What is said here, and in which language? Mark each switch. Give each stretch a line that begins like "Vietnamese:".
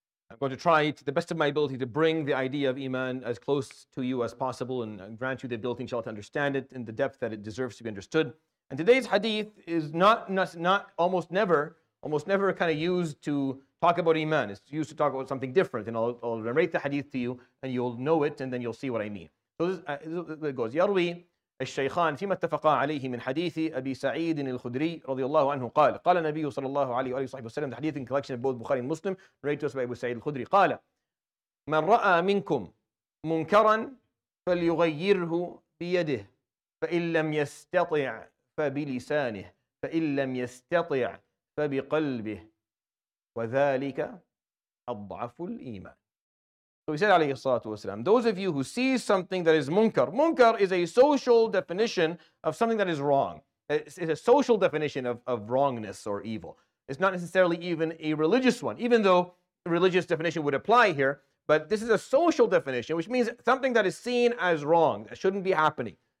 English: I'm going to try to the best of my ability to bring the idea of Iman as close to you as possible and grant you the ability, inshallah, to understand it in the depth that it deserves to be understood. And today's hadith is almost never kind of used to talk about Iman. It's used to talk about something different. And I'll narrate the hadith to you and you'll know it and then you'll see what I mean. So it goes,
Arabic: يروي الشيخان فيما اتفقا عليه من حديث أبي سعيد الخدري رضي الله عنه قال قال النبي صلى الله عليه وآله وصحبه وسلم.
English: The hadith in collection of both Bukhari and Muslim, narrated to us by Abu Sa'id al-Khudri.
Arabic: قال من رأى منكم منكرا فليغيره بيده فإن لم يستطع فبلسانه فإن لم يستطع فبقلبه وذلك أضعف الإيمان.
English: So he said,
Arabic: alayhi salatu wasalam,
English: those of you who see something that is munkar, munkar is a social definition of something that is wrong. It's a social definition of wrongness or evil. It's not necessarily even a religious one, even though religious definition would apply here, but this is a social definition, which means something that is seen as wrong, that shouldn't be happening.